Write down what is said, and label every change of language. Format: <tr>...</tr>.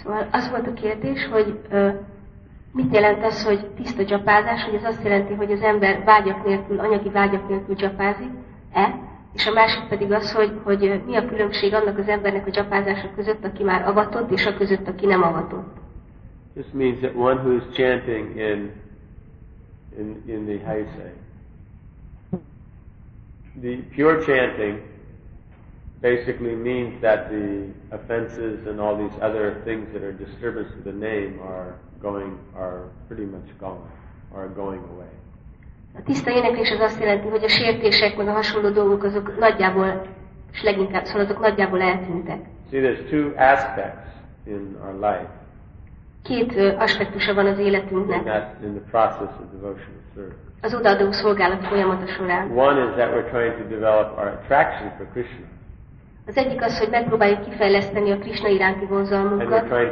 <hu>Az volt a kérdés, hogy mit jelent az, hogy tiszta dzsapázás, hogy ez azt jelenti, hogy az ember vágyak nélkül, anyagi vágyak nélkül dzsapázik-e, és a másik pedig az, hogy mi a különbség annak az embernek a dzsapázása között, aki már avatott, és a között, aki nem avatott.</hu> <en>This means that one who is chanting in the Heisei. The pure chanting basically means that the offenses and all these other things that are disturbance to the name are pretty much gone, or going away.</en> <hu>A tiszta éneklés az azt jelenti, hogy a sértések meg a hasonló dolgok azok nagyjából, és leginkább szóval azok nagyjából eltűntek.</hu> <en>See, there's two aspects in our life.</en> <hu>Két aspektusa van az életünknek.</hu> <en>In the process of devotional service.</en> <hu>Az odaadó szolgálat folyamata során.</hu> <en>One is that we're trying to develop our attraction for Krishna.</en> <hu>Az egyik az, hogy megpróbáljuk kifejleszteni a Krishna iránti vonzalmunkat.</hu>